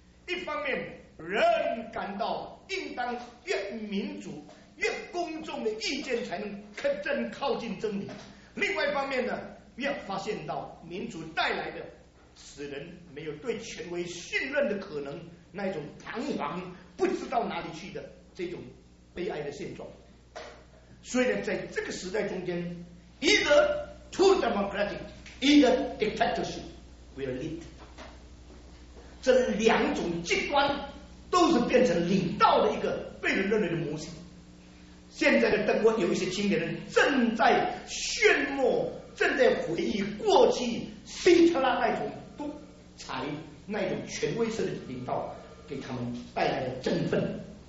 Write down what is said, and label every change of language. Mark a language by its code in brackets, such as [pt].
[zh] 一方面人感到应当越民主越公众的意见才能更靠近真理，另外一方面呢，越发现到民主带来的使人没有对权威信任的可能，那种彷徨不知道哪里去的这种悲哀的现状。所以呢，在这个时代中间， [en] Either too democratic, either dictatorship will lead. [zh] 这两种极端都是变成领导的一个被人认为的模型。现在的邓国有一些青年人正在炫目，正在回忆过去希特拉那种独裁、那种权威式的领导给他们带来的振奋。